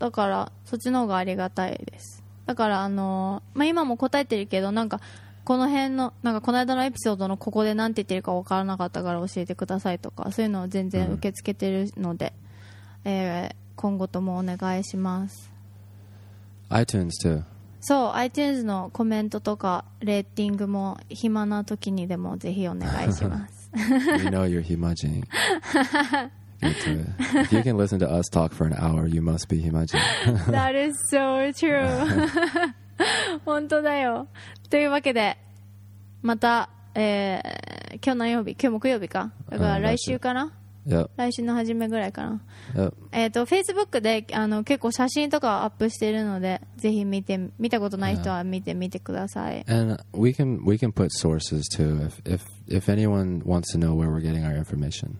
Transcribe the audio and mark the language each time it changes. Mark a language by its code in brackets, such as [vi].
[ja] だからそっちの方がありがたいです。だからまあ、今も答えてるけど、なんかこの辺のなんかこの間のエピソードのここでなんて言ってるか分からなかったから教えてくださいとか、そういうのを全然受け付けてるので、mm-hmm. 今後ともお願いします。 [en] iTunes too. [ja] そう、iTunes のコメントとかレーティングも暇な時にでもぜひお願いします。 [en] We know you're暇人。 If you can listen to us talk for an hour, you must be Himajin. That is so true. [ja] 本当だよ。というわけで、また、今日何曜日？今日木曜日か。だから来週かな。 [en] Yep. [ja] 来週の初めぐらいかな。 [en] Yep. [ja] Facebook で結構写真とかアップしてるので、ぜひ見たことない人は見てみてください。 [en] Yeah. And we can put sources too if anyone wants to know where we're getting our information.